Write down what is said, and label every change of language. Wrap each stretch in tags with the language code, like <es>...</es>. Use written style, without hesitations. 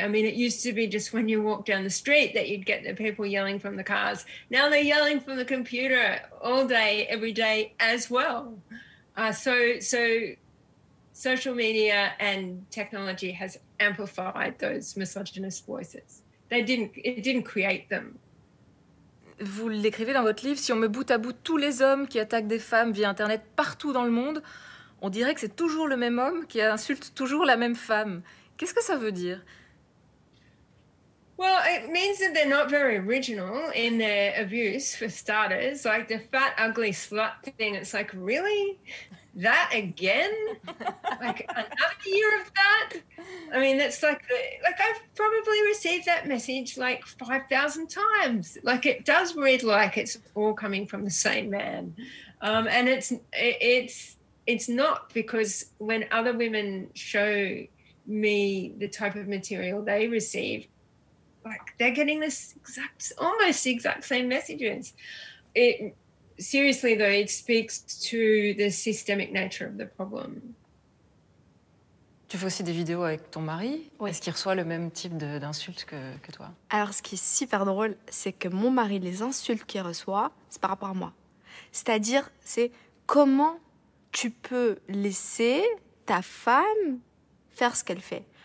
<en>I mean, it used to be just when you walked down the street that you'd get the people yelling from the cars. Now they're yelling from the computer all day, every day as well. So social media and technology has amplified those misogynist voices. It didn't create them.</en> <fr>Vous l'écrivez dans votre livre, si on met bout à bout tous les hommes qui attaquent des femmes via Internet partout dans le monde, on dirait que c'est toujours le même homme qui insulte toujours la même femme. Qu'est-ce que ça veut dire?</fr> <en>Well, it means that they're not very original in their abuse, for starters. Like the fat, ugly slut thing, it's like, really? That again? Like another year of that? I mean, that's like I've probably received that message like 5,000 times. Like it does read like it's all coming from the same man. And it's not, because when other women show me the type of material they receive, like they're getting this almost the exact same messages. Seriously, though, it speaks to the systemic nature of the problem.</en> <fr>Tu fais aussi des vidéos avec ton mari. Oui. Est-ce qu'il reçoit le même type d'insultes que toi? Alors, ce qui est super drôle, c'est que mon mari, les insultes qu'il reçoit, c'est par rapport à moi. C'est-à-dire, c'est comment tu peux laisser ta femme faire ce qu'elle fait.</fr>